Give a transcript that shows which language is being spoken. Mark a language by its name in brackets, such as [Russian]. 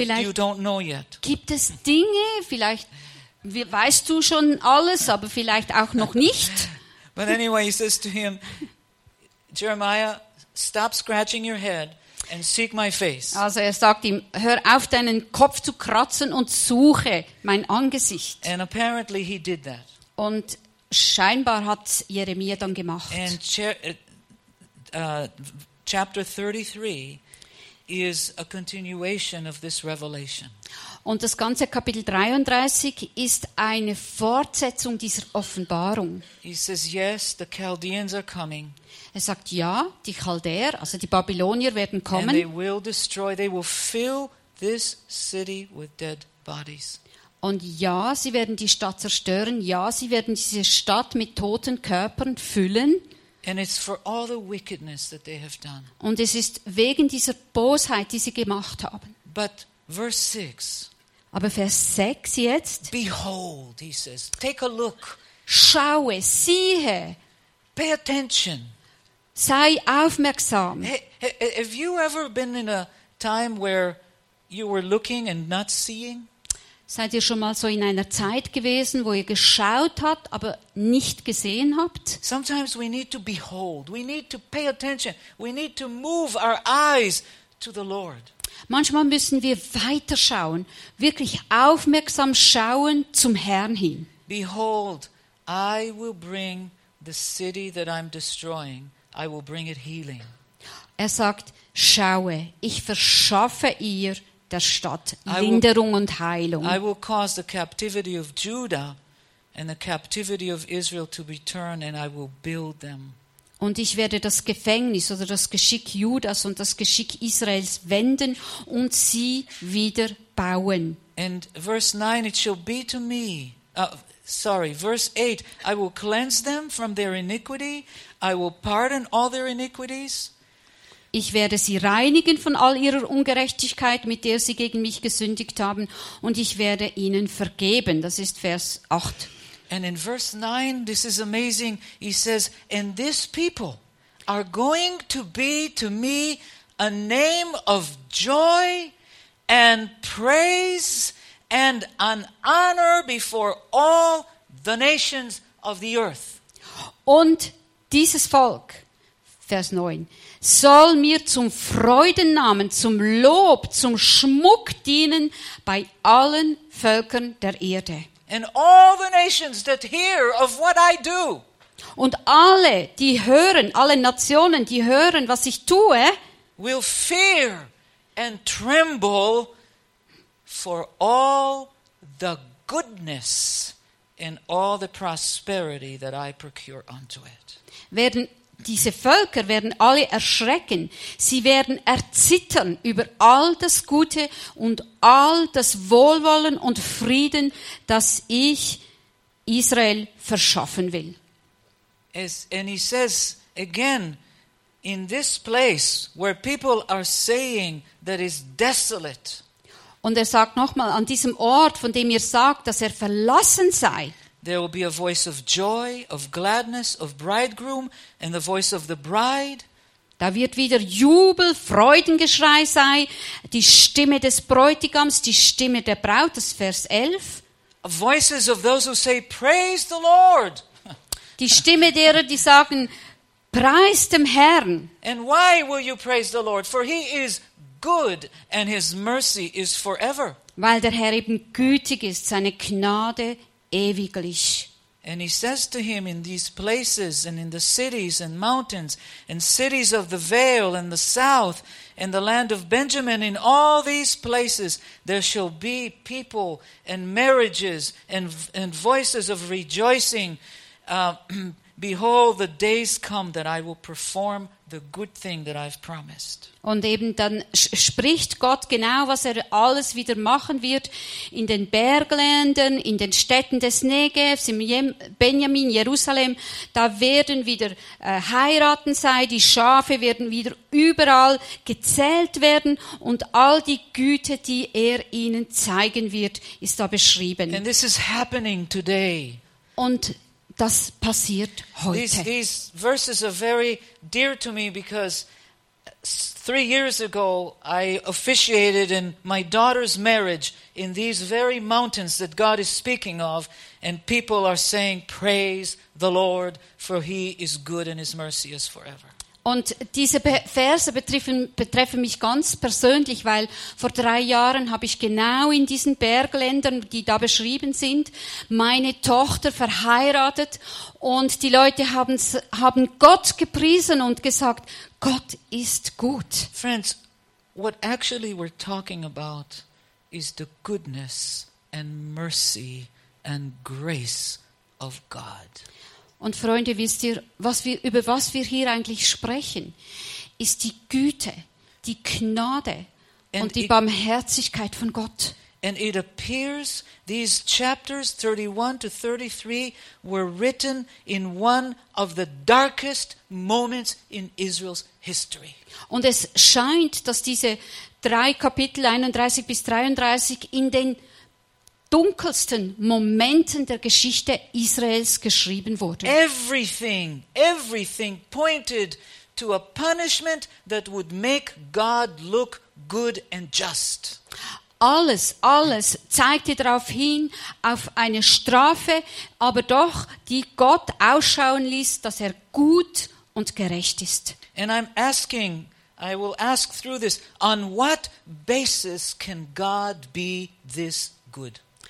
[German] vielleicht [English] you don't know yet. [German] Gibt es Dinge, vielleicht weißt du schon alles, aber vielleicht auch noch nicht. [English] But anyway, he says to him, Jeremiah, stop scratching your head and seek my face. [German] Also er sagt ihm, hör auf deinen Kopf zu kratzen und suche mein Angesicht. [English] And apparently he did that. [German] Und scheinbar hat Jeremia dann gemacht. [English] And chapter 33 is a continuation of this revelation. [German] Und das ganze Kapitel 33 ist eine Fortsetzung dieser Offenbarung. [English] He says, yes, the Chaldeans are coming. [German] Er sagt, ja, die Chaldäer, also die Babylonier, werden kommen. [English] And they will destroy, they will fill this city with dead bodies. [German] Und ja, sie werden die Stadt zerstören. Ja, sie werden diese Stadt mit toten Körpern füllen. [English] And it's for all the wickedness that they have done. [German] Und es ist wegen dieser Bosheit, die sie gemacht haben. [English] But verse 6. [German] Aber Vers 6 jetzt. [English] Behold, he says, take a look. [German] Schaue, siehe. [English] Pay attention. [German] Sei aufmerksam. [English] Have you ever been in a time where you were looking and not seeing? [German] Seid ihr schon mal so in einer Zeit gewesen, wo ihr geschaut habt, aber nicht gesehen habt? [English] Sometimes we need to behold, we need to pay attention, we need to move our eyes to the Lord. [German] Manchmal müssen wir weiterschauen, wirklich aufmerksam schauen zum Herrn hin. [English] Behold, I will bring the city that I'm destroying, I will bring it healing. [German] Er sagt, schaue, ich verschaffe ihr der Stadt Linderung und Heilung. [English] I will cause the captivity of Judah and the captivity of Israel to return and I will build them. [German] Und ich werde das Gefängnis oder das Geschick Judas und das Geschick Israels wenden und sie wieder bauen. [English] And verse 9, it shall be to me, verse 8, I will cleanse them from their iniquity, I will pardon all their iniquities. [German] Ich werde sie reinigen von all ihrer Ungerechtigkeit, mit der sie gegen mich gesündigt haben, und ich werde ihnen vergeben. Das ist Vers 8. [English] And in verse 9, this is amazing. He says, and this people are going to be to me a name of joy and praise and an honor before all the nations of the earth. [German] Und dieses Volk, Vers 9, soll mir zum Freudennamen, zum Lob, zum Schmuck dienen bei allen Völkern der Erde. [English] And all the nations that hear of what I do. [German] Und alle, die hören, alle Nationen, die hören, was ich tue, [English] will fear and tremble for all the goodness and all the prosperity that I procure unto it. [German] Werden diese Völker werden alle erschrecken. Sie werden erzittern über all das Gute und all das Wohlwollen und Frieden, das ich Israel verschaffen will. [English] And he says again, in this place where people are saying that is desolate. [German] Und er sagt nochmal, an diesem Ort, von dem ihr sagt, dass er verlassen sei. [English] There will be a voice of joy, of gladness, of bridegroom, and the voice of the bride. [German] Da wird wieder Jubel, Freudengeschrei sein, die Stimme des Bräutigams, die Stimme der Braut, das Vers 11. [English] Voices of those who say, praise the Lord. [German] Die Stimme derer, die sagen, preis dem Herrn. [English] And why will you praise the Lord? For he is good, and his mercy is forever. [German] Weil der Herr eben gütig ist, seine Gnade ewiglich. [English] And he says to him, in these places and in the cities and mountains and cities of the vale and the south and the land of Benjamin, in all these places there shall be people and marriages and voices of rejoicing. Behold, the days come that I will perform the good thing that I've promised. [German] Und eben dann spricht Gott genau, was er alles wieder machen wird in den Bergländern, in den Städten des Negevs, im Benjamin, Jerusalem. Da werden wieder heiraten sein, die Schafe werden wieder überall gezählt werden und all die Güte, die er ihnen zeigen wird, ist da beschrieben. [English] And this is happening today. [German] Und das passiert heute. [English] These verses are very dear to me because 3 years ago I officiated in my daughter's marriage in these very mountains that God is speaking of, and people are saying, praise the Lord, for he is good and his mercy is forever. [German] Und diese Verse betreffen mich ganz persönlich, weil vor 3 Jahren habe ich genau in diesen Bergländern, die da beschrieben sind, meine Tochter verheiratet und die Leute haben Gott gepriesen und gesagt, Gott ist gut. [English] Friends, what actually we're talking about is the goodness and mercy and grace of God. [German] Und Freunde, wisst ihr, über was wir hier eigentlich sprechen, ist die Güte, die Gnade und die Barmherzigkeit von Gott. [English] And it appears these chapters 31 to 33 were written in one of the darkest moments in Israel's history. [German] Und es scheint, dass diese drei Kapitel 31 bis 33 in den dunkelsten Momenten der Geschichte Israels geschrieben wurden. [English] Everything pointed to a punishment that would make God look good and just. [German] Alles zeigte darauf hin, auf eine Strafe, aber doch, die Gott ausschauen ließ, dass er gut und gerecht ist. [English] And I'm asking, I will ask through this, on what basis can God be this good?